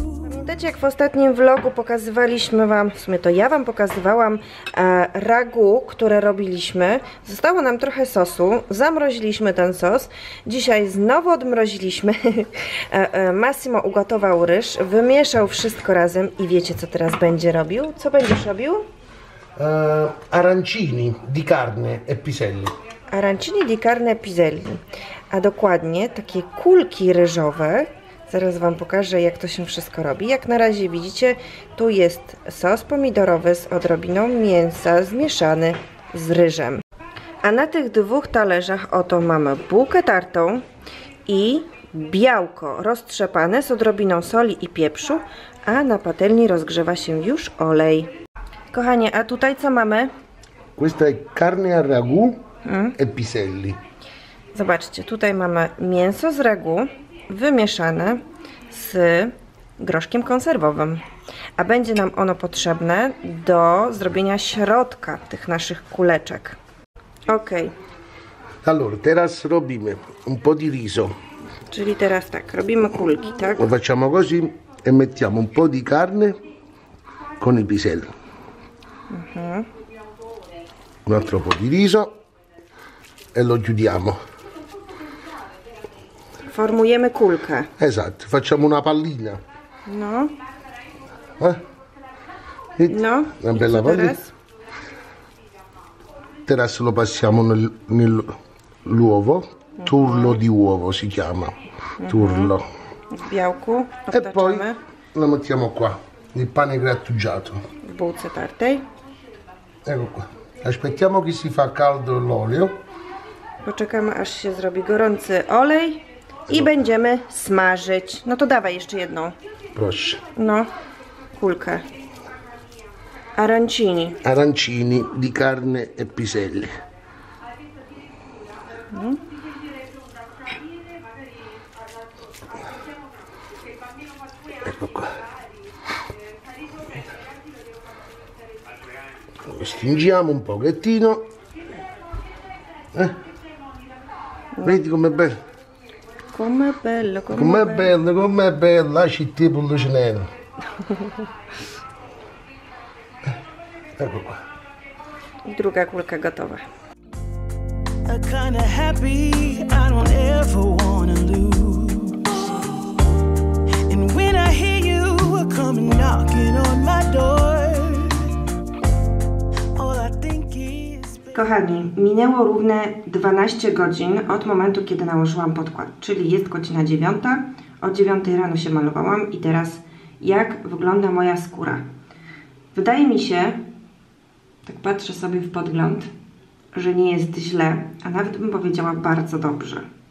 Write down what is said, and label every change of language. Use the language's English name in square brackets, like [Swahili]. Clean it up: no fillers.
[Polish] Pamiętacie, jak w ostatnim vlogu pokazywaliśmy wam, w sumie to ja wam pokazywałam ragu, które robiliśmy. Zostało nam trochę sosu, zamroziliśmy ten sos, dzisiaj znowu odmroziliśmy. Massimo ugotował ryż, wymieszał wszystko razem i wiecie, co teraz będzie robił? Co będziesz robił? [Italian] Arancini di carne e piselli. [Polish] Arancini di carne e piselli, a dokładnie takie kulki ryżowe. Zaraz wam pokażę, jak to się wszystko robi. Jak na razie widzicie, tu jest sos pomidorowy z odrobiną mięsa zmieszany z ryżem. A na tych dwóch talerzach oto mamy bułkę tartą i białko roztrzepane z odrobiną soli i pieprzu, a na patelni rozgrzewa się już olej. Kochanie, a tutaj co mamy? [Italian] Questa è carne al ragù e piselli. [Polish] Zobaczcie, tutaj mamy mięso z ragù wymieszane z groszkiem konserwowym. A będzie nam ono potrzebne do zrobienia środka tych naszych kuleczek. Ok. [Italian] Allora, [Polish] teraz robimy [Italian] un po' di riso. [Polish] Czyli teraz tak, robimy kulki, tak? [Italian] Lo facciamo così e mettiamo un po' di carne con il pisello. Un altro po' di riso e lo chiudiamo. [Polish] Formujemy kulkę. [Italian] Exact. Facciamo una pallina. No. No. Una bella pallina. [Polish] Teraz [Italian] lo passiamo nell'uovo. Turlo di uovo si chiama. Turlo. [Polish] W białku. [Italian] E poi lo mettiamo qua. Il pane grattugiato. [Polish] W bułce tartej. [Italian] Ecco qua. Aspettiamo che si fa caldo l'olio. [Polish] Poczekamy, aż się zrobi gorący olej. I będziemy smażyć. No to dawaj jeszcze jedną. Proszę. No, kulkę. Arancini. [Italian] Arancini di carne e piselli. Ecco qua. Lo stringiamo un pochettino. Vedi com'è bello. Com'è bello, com'è bello, com'è bello, lasci il tipo lo cenero. Ecco qua. [Polish] Druga kulka gotowa. [English] A kind of happy I don't ever wanna lose. And when I hear you come knocking on my door, all I think is... [Polish] Kochani, minęło równe 12 godzin od momentu, kiedy nałożyłam podkład, czyli jest godzina 9, o 9 rano się malowałam i teraz jak wygląda moja skóra? Wydaje mi się, tak patrzę sobie w podgląd, że nie jest źle, a nawet bym powiedziała bardzo dobrze.